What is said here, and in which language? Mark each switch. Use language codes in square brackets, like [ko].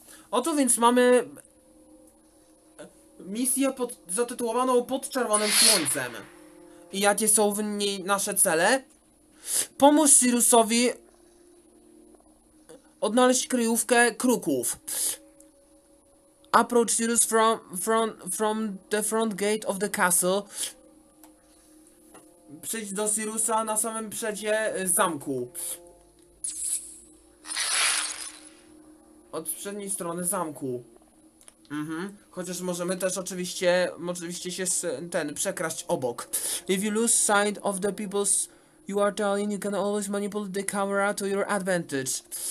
[pl] Oto więc mamy misję zatytułowaną Pod Czerwonym Słońcem. I jakie są w niej nasze cele? Pomóż Sirusowi odnaleźć kryjówkę kruków. [en] Approach Sirus from the front gate of the castle. [pl] Przejdź do Sirusa na samym przedzie zamku. Od przedniej strony zamku. Mhm. Chociaż możemy też oczywiście się przekraść obok. [en] If you lose sight of the people's you are telling, you can always manipulate the camera to your advantage.